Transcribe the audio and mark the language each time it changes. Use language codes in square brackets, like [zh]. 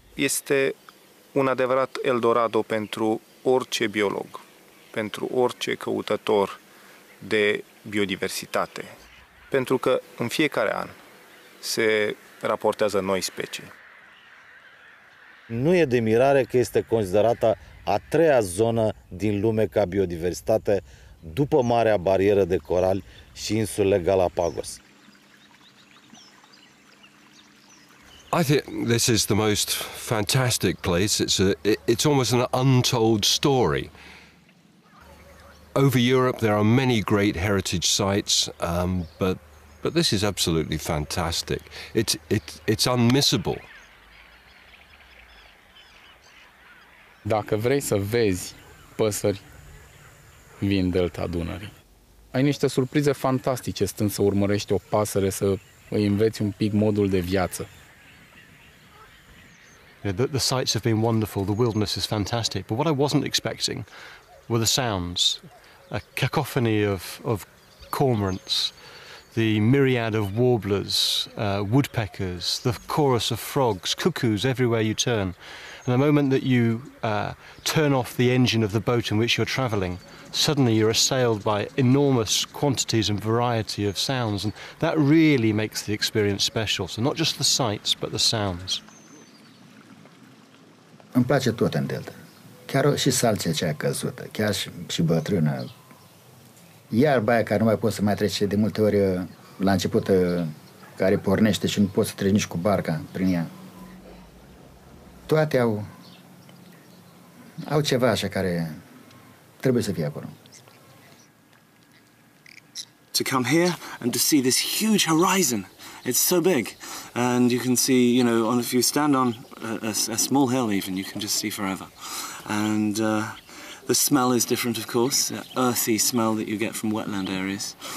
[ro] Este un adevărat Eldorado pentru orice biolog, pentru orice căutător de biodiversitate, pentru că în fiecare an se raportează noi specii. Nu e de mirare că este considerată a treia zonă din lume ca biodiversitate după Marea Barieră de Corali și insulele Galapagos. [en] I think this is the most fantastic place. It's almost an untold story. Over Europe, there are many great heritage sites, but this is absolutely fantastic. It's unmissable. [ro] Dacă vrei să vezi păsări, vii în Delta Dunării. Ai niște surprize fantastice stând să urmărești o pasăre, să îi înveți un pic modul de viață. [en] Yeah, the sights have been wonderful. The wilderness is fantastic. But what I wasn't expecting were the sounds. A cacophony of cormorants, the myriad of warblers, woodpeckers, the chorus of frogs, cuckoos everywhere you turn. And the moment that you turn off the engine of the boat in which you're travelling, suddenly you're assailed by enormous quantities and variety of sounds, and that really makes the experience special. So not just the sights, but the sounds. [ro] Îmi place tot în Delta. Chiar și salția cea căzută, chiar și bătrâna. Iarba aia care nu mai poți să mai treci de multe ori la început, care pornește și nu poți să treci nici cu barca prin ea. Toate au ceva așa care trebuie să fie acolo. [en] To come here and to see this huge horizon It's so big, and you can see, you know, on, if you stand on a small hill even, you can just see forever. And the smell is different, of course, the earthy smell that you get from wetland areas.